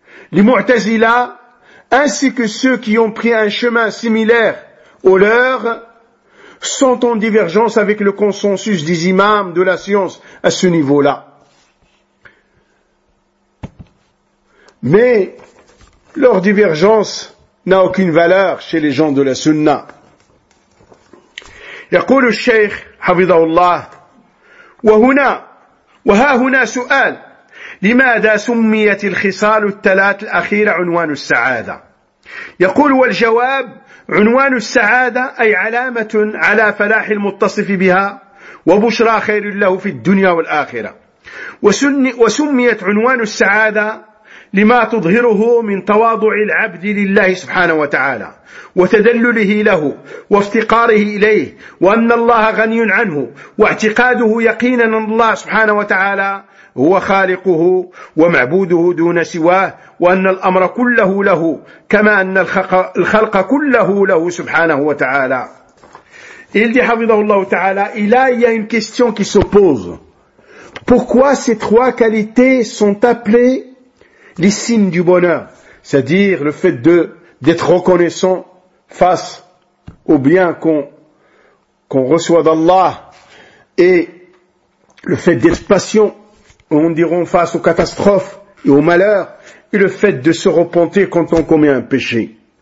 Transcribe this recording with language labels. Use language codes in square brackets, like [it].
[fr] Les Mu'tazila, ainsi que ceux qui ont pris un chemin similaire au leur, sont en divergence avec le consensus des imams de la science à ce niveau-là. Mais leur divergence n'a aucune valeur chez les gens de la sunna. [ar] يقول الشيخ حفظه الله وهنا وها هنا سؤال لماذا سميت الخصال الثلاث الأخيرة عنوان السعادة يقول والجواب عنوان السعادة أي علامة على فلاح المتصف بها وبشرى خير له في الدنيا والآخرة وسميت عنوان السعادة لما تظهره من تواضع العبد لله سبحانه وتعالى وتدلله له وافتقاره إليه وأن الله غني عنه واعتقاده يقينا أن الله سبحانه وتعالى هو خالقه ومعبوده دون سواه وأن الأمر كله له كما أن الخلق كله له سبحانه وتعالى [fr] Il dit, [ar] حفظه الله تعالى, [fr] il y a une question qui s'oppose. Pourquoi ces trois qualités sont appelées les signes du bonheur, c'est-à-dire le fait d'être reconnaissant face au bien qu'on reçoit d'Allah et le fait d'être patient, on dirait, face aux catastrophes et aux malheurs et le fait de se repentir quand on commet un péché.